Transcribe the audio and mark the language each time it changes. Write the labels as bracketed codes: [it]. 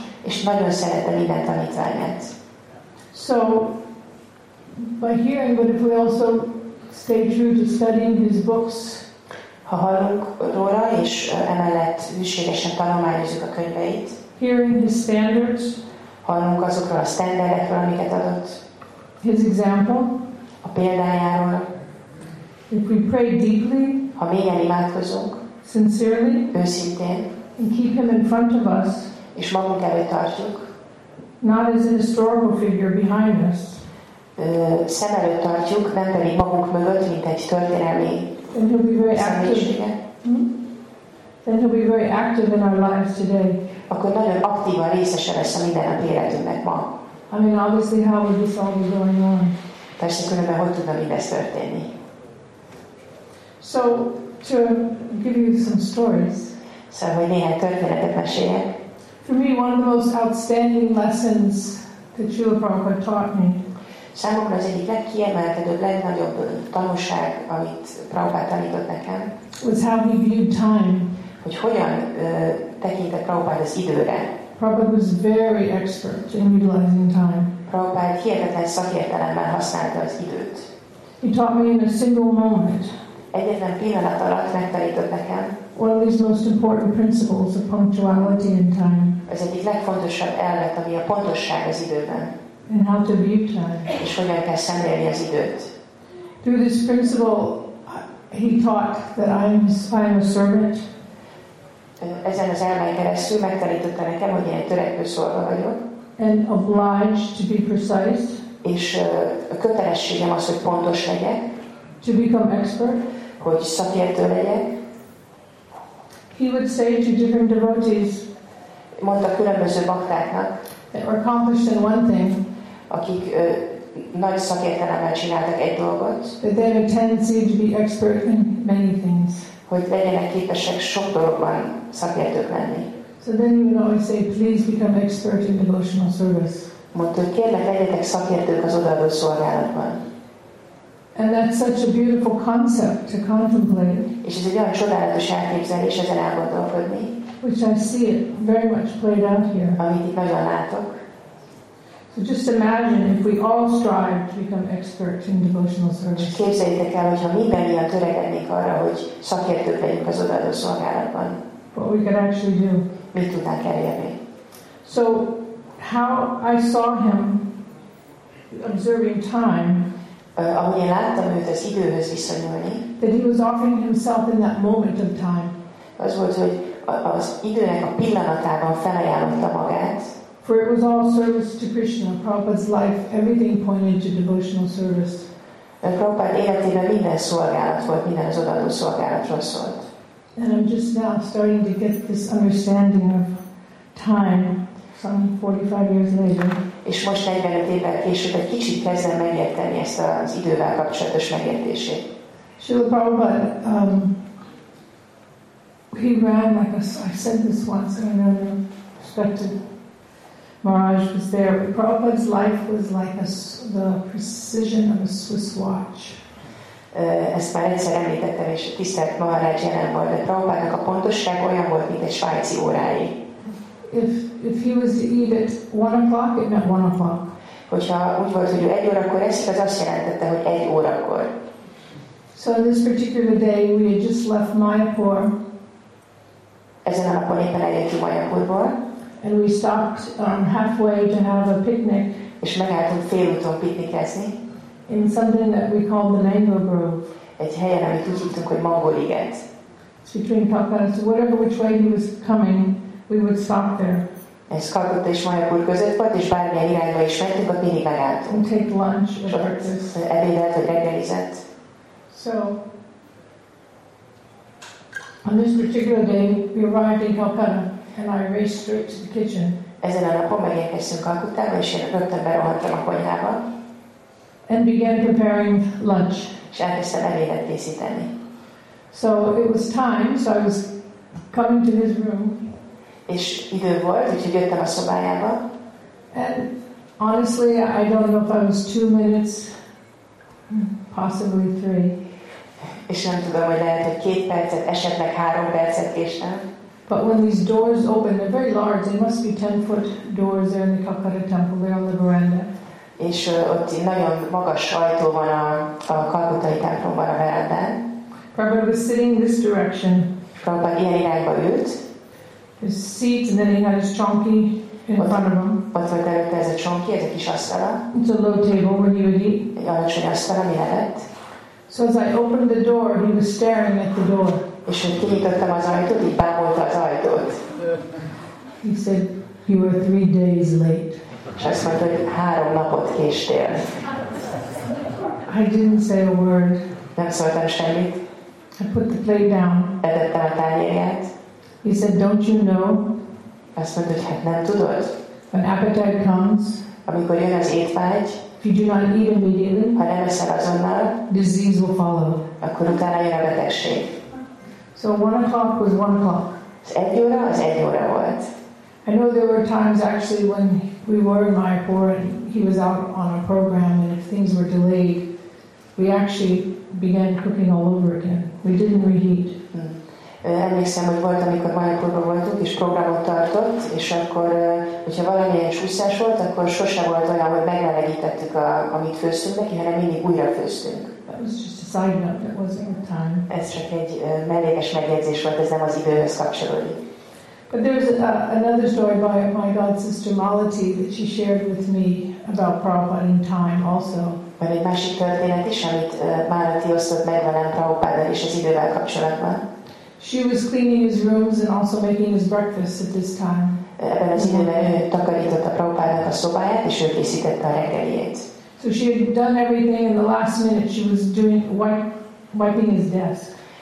[hu] És nagyon szerette minden tanítványát. [en] So, by hearing, but if we also stay true to studying his books, [hu] ha hallunk róla, és emellett hűségesen tanulmányozzuk a könyveit, [en] hearing his standards, [hu] hallunk azokról a standardekről, amiket adott, [en] his example, [hu] a példájáról, [en] if we pray deeply, [hu] ha mélyen imádkozunk, [en] sincerely, [hu] őszintén, [en] and keep him in front of us, [hu] és magunk előtt tartjuk, [en] not as an historical figure behind us, [hu] szem előtt tartjuk, nem pedig magunk mögött, mint egy történelmi személyisége. [en] Then he'll be very active in our lives today. [hu] Akkor nagyon aktívan részese lesz a mindennapi életünknek ma. [en] I mean, obviously, how would this all be going on? [hu] Persze, különben hogy tudna mindez történni? [en] So, to give you some stories. [hu] Szóval, hogy néhány történetet meséljek. [en] For me, one of the most outstanding lessons that Srila Prabhupada taught me. [hu] Számomra az egyik legkiemelkedőbb, legnagyobb tanúság, amit Prabhupada tanított nekem. [en] Was how he viewed time. [hu] Hogy hogyan tekintett Prabhupada az időre. [en] Prabhupada was very expert in utilizing time. [hu] Prabhupada hihetetlen szakértelemmel használta az időt. [en] He taught me in a single moment. [hu] Egyetlen pillanat alatt megtanított nekem. [en] One of these most important principles of punctuality in time. [hu] Ez egyik legfontosabb elvet, ami a pontosság az időben. [en] And how to view time. [hu] És hogyan kell szemlélni az időt. [en] Through this principle, he taught that I am a servant. [hu] Ezen az elven keresztül megtanította nekem, hogy ilyen törekvő szolga vagyok. [en] And obliged to be precise. [hu] És a kötelességem az, hogy pontos legyek. [en] To become expert. [hu] Hogy szakértő legyek. [en] He would say to different devotees. [hu] Mondta különböző baktáknak. [en] That were accomplished in one thing. [hu] Akik nagy szakértelemmel csináltak egy dolgot. [en] That they have a tendency to be expert in many things. [hu] Hogy legyenek képesek sok dologban szakértők lenni. [en] So then you would always say, please become expert in devotional service. [hu] Mondta, hogy kérlek, legyetek szakértők az odaadó szolgálatban. [en] And that's such a beautiful concept to contemplate. [hu] És ez egy olyan csodálatos elképzelés ezen elgondolkodni. [en] Which I see it very much played out here. [hu] Amit itt nagyon látok. [en] So just imagine if we all strive to become experts in devotional service. [hu] Képzeljétek el, hogyha mindannyian törekednék arra, hogy szakértők legyünk az odaadó szolgálatban. [en] What we could actually do. [hu] Mit tudnánk elérni? [en] So how I saw him observing time. [hu] Ahogy én láttam őt az időhöz viszonyulni. [en] That he was offering himself in that moment of time. [hu] Az volt, hogy az időnek a pillanatában felajánlotta magát. [en] For it was all service to Krishna, Prabhupada's life, everything pointed to devotional service. [hu] Prabhupada életében minden szolgálat volt, minden az odaadó szolgálatról szólt. [en] And I'm just now starting to get this understanding of time, some 45 years later. [hu] És most 45 évvel később egy kicsit kezdem megérteni ezt az idővel kapcsolatos megértését. [en] Srila Prabhupada, he ran like a, I said this once, and I know the respected Maharaj was there. Prabhupada's life was like the precision of a Swiss watch. [hu] Ezt már egyszer említettem, és tisztelt Maharaj jelen volt, de Prabhupádnak a pontosság olyan volt, mint egy svájci órái. [en] If he was to eat at 1 o'clock, it meant 1 o'clock. [hu] Hogyha úgy volt, hogy ő egy órakor eszik, az azt jelentette, hogy egy órakor. [en] So on this particular day, we had just left Mayapur. [hu] Ezen a napon éppen elértünk Mayapurból. [en] And we stopped halfway to have a picnic. [hu] És megálltunk fél úton piknikezni. [en] In something that we call the mango grove. [hu] Egy helyen, amit úgy hívtunk, hogy mangóliget. [en] It's between Calcutta. So whatever which way he was coming, we would stop there. [hu] Ez Calcutta és Mayapur között volt, és bármilyen irányba is mentünk, ott mindig megálltunk. [en] And take lunch or breakfast. [hu] Ebédet vagy reggelizet. [en] So, on this particular day, we arrived in Calcutta. And I raced straight to the kitchen. [hu] Ezen a napon megérkeztünk Kalkuttába, és én rögtön berohantam a konyhába. [en] And began preparing lunch. [hu] És elkezdtem ebédet készíteni. [en] So it was time, so I was coming to his room. [hu] És idő volt, úgyhogy jöttem a szobájába. [en] And honestly, I don't know if I was 2 minutes, possibly 3. [hu] És nem tudom, hogy lehet, hogy 2 percet, esetleg 3 percet késtem. [en] But when these doors open, they're very large. They must be 10-foot doors there in the Calcutta temple. They're on the veranda. [hu] És ott nagyon magas ajtó van a Kalkutai templomban a verandán. [en] Prabhupada was sitting in this direction. [hu] Prabhupada ilyen irányba ült. [en] His seat, and then he had his chonki in [hu] ott, [en] front of him. [hu] Ott volt előtte ez a chonki, ez a kis asztala. [en] It's a low table where he would eat. [hu] Egy alacsony asztala, mi lehet. [en] So as I opened the door, he was staring at the door. [hu] És hogy kinyitottam az ajtót, így bámolta az ajtót. [en] He said, you were 3 days late. [hu] És azt mondta, hogy 3 napot késtél. [en] I didn't say a word. [hu] Nem szóltam semmit. [en] I put the plate down. [hu] Letettem a tányérját. [en] He said, don't you know? [hu] Azt mondta, hogy hát nem tudod. [en] When appetite comes. [hu] Amikor jön az étvágy. [en] If you do not eat immediately. [hu] Ha nem eszel azonnal. [en] Disease will follow. [hu] Akkor utána jön a betegség. [en] So 1 o'clock was 1 o'clock. [hu] Az 1 óra, az 1 óra volt. [en] I know there were times actually when we were in Mayapur and he was out on a program and if things were delayed, we actually began cooking all over again. We didn't reheat. [hu] Emlékszem, hogy volt, amikor Mayapurban voltunk és programot tartott, és akkor, hogyha valamilyen csúszás volt, akkor sose volt olyan, hogy megmelegítettük, amit főztünk neki, hanem mindig újra főztünk. [en] Side note, that wasn't the time. [hu] Ez csak egy mellékes megjegyzés volt, ez nem az időhöz kapcsolódik. [en] But there's another story by my god sister Malati that she shared with me about Prabhupada in time also. [hu] Van egy másik történet is, amit Malati osztott meg velem Prabhupada és az idővel kapcsolatban. [en] She was cleaning his rooms and also making his breakfast at this time. [hu] Ebben az időben ő takarította Prabhupádnak a szobáját és ő készítette a reggeliét. [en] So she had done everything in the last minute. She was doing wiping his desk.